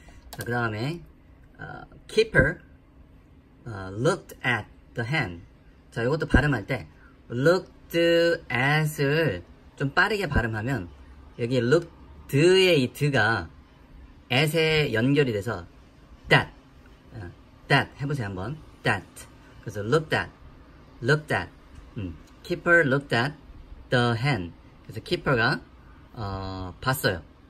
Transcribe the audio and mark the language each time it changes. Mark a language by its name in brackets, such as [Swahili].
[Korean] 자, 그 다음에 [English] keeper looked at the hen. [Korean] 자, 이것도 발음할 때 [English] looked at [Korean] 을 좀 빠르게 발음하면 여기 looked의 이 드가 at에 연결이 돼서 that. That 해보세요 한번. [English] That. [Korean] 그래서 [English] looked at. Keeper looked at the hen. [Korean] 그래서 keeper가 봤어요.